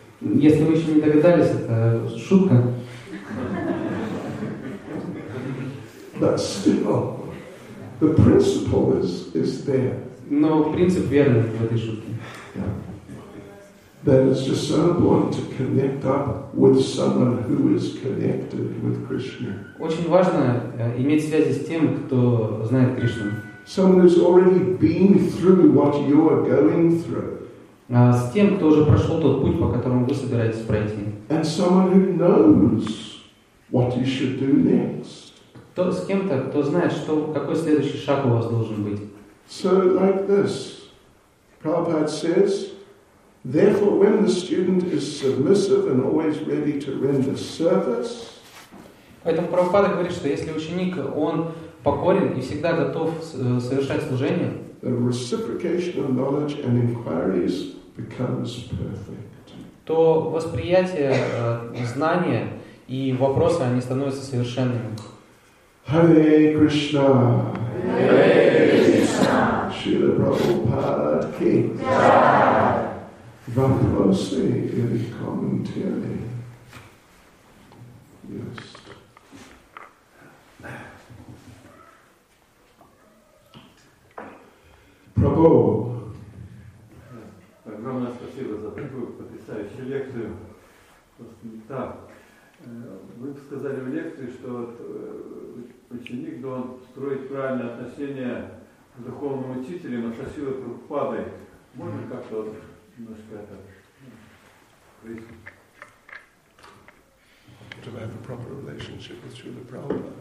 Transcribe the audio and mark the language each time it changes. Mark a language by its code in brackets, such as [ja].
[ru] Если вы еще не догадались, это шутка. [en] But still, the principle is there. [ru] Но принцип верный в этой шутке. [en] That it's just so important to connect up with someone who is connected with Krishna. [ru] Очень важно иметь связи с тем, кто знает Кришну. [en] Someone who's already been through what you're going through. [ru] С тем, кто уже прошел тот путь, по которому вы собираетесь пройти. [en] And someone who knows what you should do next. [ru] С кем-то, кто знает, что какой следующий шаг у вас должен быть. [en] So like this, Prabhupada says, therefore, when the student is submissive and always ready to render service. [ru] Поэтому Прабхупада говорит, что если ученик, он покорен и всегда готов совершать служение, [en] the reciprocation of knowledge and inquiries becomes perfect. [ru] То восприятие знания и вопросы, они становятся совершенными. [sa] Hare Krishna! Hare Krishna! Srila Prabhupada ki! [ru] Vaprosi ili commentary. [en] Yes. [ru] Прабху. Огромное спасибо за такую потрясающую лекцию. Просто не так. Вы сказали в лекции, что ученик должен строить правильное отношение к духовному учителю, но со силой Прабхупады. Можно как-то немножко это прояснить? [en] Do I have a proper relationship with Srila Prabhupada?